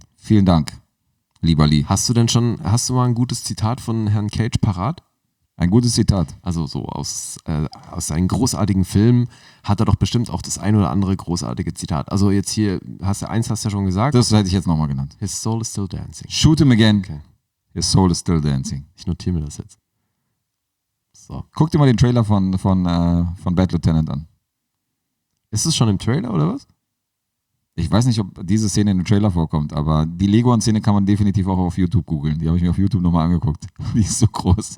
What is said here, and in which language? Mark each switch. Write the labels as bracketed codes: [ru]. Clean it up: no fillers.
[de] Vielen Dank, lieber Lee. Hast du mal ein gutes Zitat von Herrn Cage parat? Ein gutes Zitat. Also so aus seinen großartigen Filmen hat er doch bestimmt auch das ein oder andere großartige Zitat. Also jetzt hier, hast du ja schon gesagt. Das hätte ich jetzt nochmal genannt. [en] His soul is still dancing. Shoot him again. Okay. His soul is still dancing. [de] Ich notiere mir das jetzt. So. Guck dir mal den Trailer von Bad Lieutenant an. Ist es schon im Trailer oder was? Ich weiß nicht, ob diese Szene in dem Trailer vorkommt, aber die Leguan-Szene kann man definitiv auch auf YouTube googeln. Die habe ich mir auf YouTube nochmal angeguckt. Die ist so groß.